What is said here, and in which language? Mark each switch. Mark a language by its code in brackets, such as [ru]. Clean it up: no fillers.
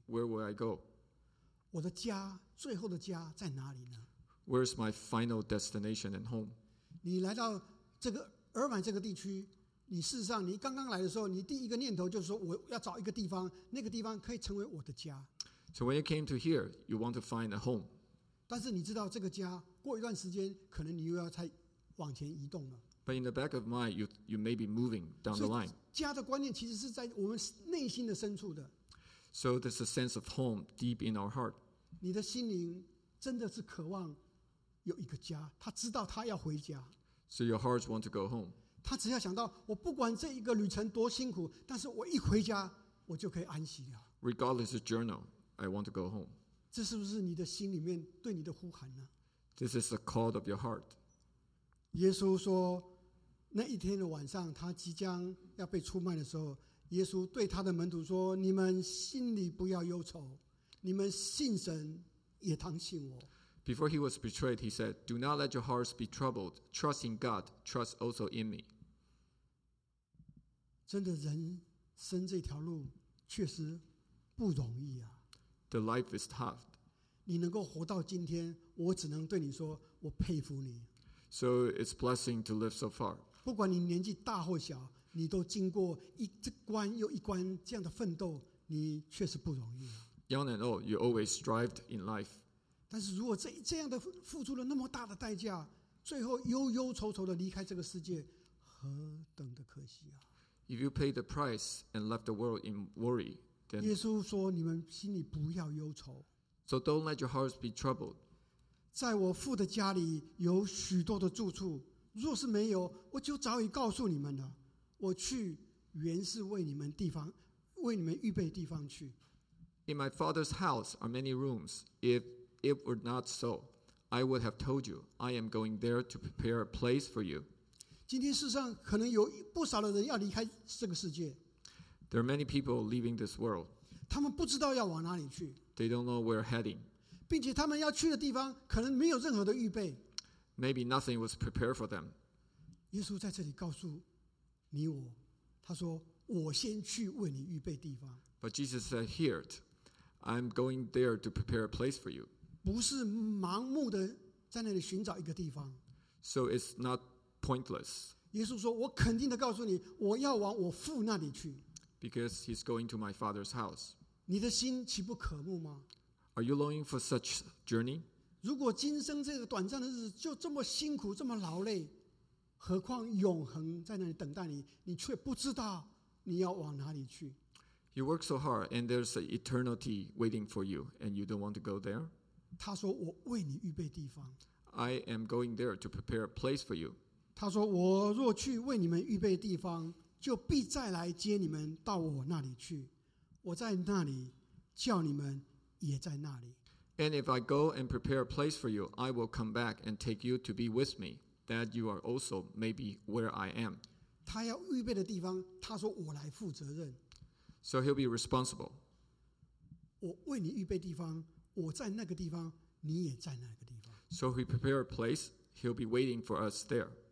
[en] Where will I go? [zh] 我的家，最后的家在哪里呢？ [en] Where's my final destination and home? [zh] 你来到这个尔玛这个地区，你事实上你刚刚来的时候，你第一个念头就是说我要找一个地方，那个地方可以成为我的家。 [en] So when you came to here, you want to find a home. [zh] 但是你知道这个家过过一段时间可能你又要再往前移动了。 [en] But in the back of mind, you may be moving down the line. [zh] 家的观念其实是在我们内心的深处的。 [en] So there's a sense of home deep in our heart. [zh] 你的心灵真的是渴望有一个家，他知道他要回家。 [en] So your hearts want to go home. [zh] 他只要想到我不管这一个旅程多辛苦，但是我一回家我就可以安息了。 [en] Regardless of journey, I want to go home. [zh] 这是不是你的心里面对你的呼喊呢？ [en] This is the call of your heart. [zh] 耶稣说那一天的晚上他即将要被出卖的时候，耶稣对他的门徒说，你们心里不要忧愁，你们信神也当信我。 [en] Before he was betrayed, he said, Do not let your hearts be troubled. Trust in God. Trust also in me. [zh] 真的人生这条路确实不容易啊。 [en] The life is tough. [zh] 你能够活到今天，我只能对你说，我佩服你。 [en] So it's blessing to live so far. [zh] 不管你年纪大或小，你都经过一关又一关这样的奋斗，你确实不容易。 [en] Young and old, you always strived in life. [zh] 但是如果这样的付出了那么大的代价，最后忧忧愁愁的离开这个世界，何等的可惜啊！ [en] If you pay the price and left the world in worry, then [zh] 耶稣说你们心里不要忧愁。 [en] So don't let your hearts be troubled. [zh] 在我父的家里有许多的住处，若是没有，我就早已告诉你们了。我去原是为你们地方，为你们预备地方去。 [en] In my father's house are many rooms. If it were not so, I would have told you. I am going there to prepare a place for you. [zh] 今天世上可能有不少的人要离开这个世界。 [en] There are many people leaving this world. [zh] 他们不知道要往哪里去。 [en] They don't know where heading. [zh] 并且他们要去的地方可能没有任何的预备。 [en] Maybe nothing was prepared for them. [zh] 耶稣在这里告诉你我，他说我先去为你预备地方。 [en] But Jesus said, "Here, I'm going there to prepare a place for you." [zh] 不是盲目的在那里寻找一个地方。 [en] So it's not pointless. [zh] 耶稣说，我肯定的告诉你，我要往我父那里去。 [en] Because he's going to my father's house. [zh] 你的心岂不渴慕吗？ [en] Are you longing for such journey? [zh] 如果今生这个短暂的日子就这么辛苦，这么劳累，何况永恒在那里等待你，你却不知道你要往哪里去。 [en] You work so hard, and there's an eternity waiting for you, and you don't want to go there? [zh] 他说，我为你预备地方。 [en] I am going there to prepare a place for you. [zh] 他说，我若去为你们预备地方，就必再来接你们到我那里去。我在那里叫你们。也在那里。 [en] And if I go and prepare a place for you, I will come back and take you to be with me, that you are also maybe where I am. [zh] 他要预备的地方，他说我来负责任。 [en] So he'll be responsible. [zh] 我为你预备地方，我在那个地方，你也在那个地方。 [en] So he prepare a place, he'll be waiting for us there.